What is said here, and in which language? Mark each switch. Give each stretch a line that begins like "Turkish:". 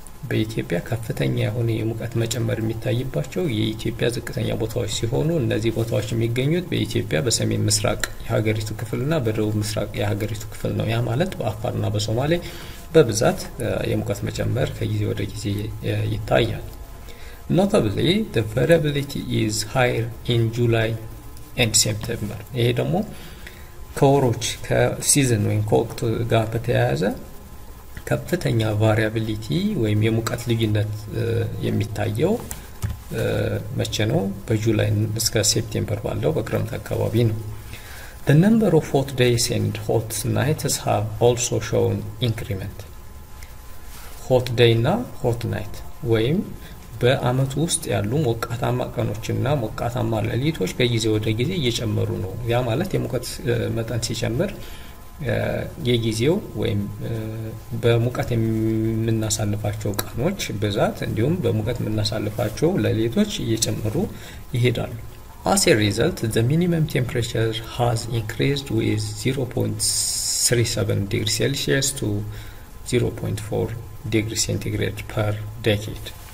Amharic: በኢትዮጵያ ከፍተኛ የሆነ የሙቀት መጨመር የሚታይባቸው የኢትዮጵያ ዝቅተኛ ቦታዎች ሲሆኑ እነዚህ ቦታዎች የሚገኙት በኢትዮጵያ በሰሜን ምስራቅ የሀገሪቱ ክፍልና በደቡብ ምስራቅ የሀገሪቱ ክፍል ነው። ያ ማለት በአፋርና በሶማሌ በብዛት የሙቀት መጨመር ከጊዜ ወደ ጊዜ ይታያል።
English: Notably, the variability is higher in July and September.
Amharic: ይሄ ደግሞ ከወሮች ከሲዝን ወይም ከወቅቱ ጋር በተያያዘ ከፍተኛ ቫሪያቢሊቲ ወይም የሙቀት ልዩነት የሚታየው መቼ ነው? በጁላይ እስከ ሴፕቴምበር ባለው በክረምት አካባቢ ነው።
English: The number of hot days and hot nights have also shown increment. Hot day na hot night
Amharic: ወይም በአመት ውስጥ ያሉ ሞቃታማ ቀኖችና ሞቃታማ ሌሊቶች ከጊዜ ወደ ጊዜ እየጨመሩ ነው። ያ ማለት የሙቀት መጠን ሲጨምር የጊዜው ወይም በሙቀት የምናሳልፋቸው ቀኖች በዛት እንዲሁም በሙቀት የምናሳልፋቸው ሌሊቶች እየጨመሩ ይሄዳሉ።
English: As a result, the minimum temperature has increased with 0.37 degrees Celsius to 0.4 degrees centigrade per decade.